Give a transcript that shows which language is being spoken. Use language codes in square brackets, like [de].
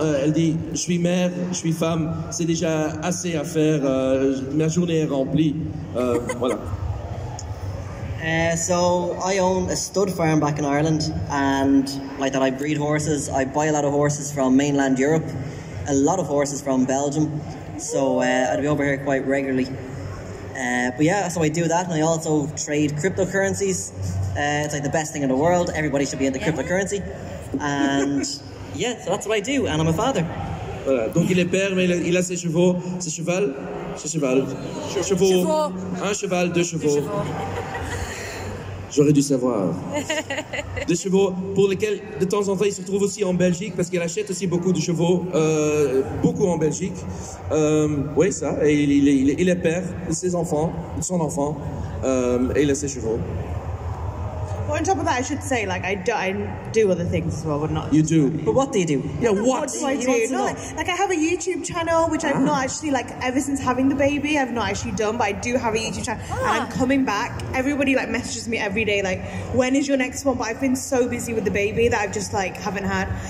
[fr] Elle dit, je suis mère, je suis femme, c'est déjà assez à faire, ma journée est remplie. voilà. [en] So I own a stud farm back in Ireland, and like that, I breed horses. I buy a lot of horses from mainland Europe, a lot of horses from Belgium. So I'd be over here quite regularly. But yeah, so I do that, and I also trade cryptocurrencies. It's like the best thing in the world. Everybody should be into cryptocurrency. And yeah, so that's what I do, and I'm a father. [fr] Donc il est père, mais il a ses chevaux. Ses cheval? Ses cheval. Chevaux. Un cheval, deux chevaux. J'aurais dû savoir. Des chevaux pour lesquels, de temps en temps, il se retrouve aussi en Belgique, parce qu'il achète aussi beaucoup de chevaux, beaucoup en Belgique. Oui, ça, et il est père de ses enfants, de son enfant, et il a ses chevaux. [en] Well, on top of that, I should say, like, I do other things as well, but not... You do. But what do you do? Yeah, what do I do? Like, I have a YouTube channel, which I've not actually, like, ever since having the baby, I've not actually done, but I do have a YouTube channel, and I'm coming back. Everybody, like, messages me every day, like, when is your next one? But I've been so busy with the baby that I've just, like, haven't had.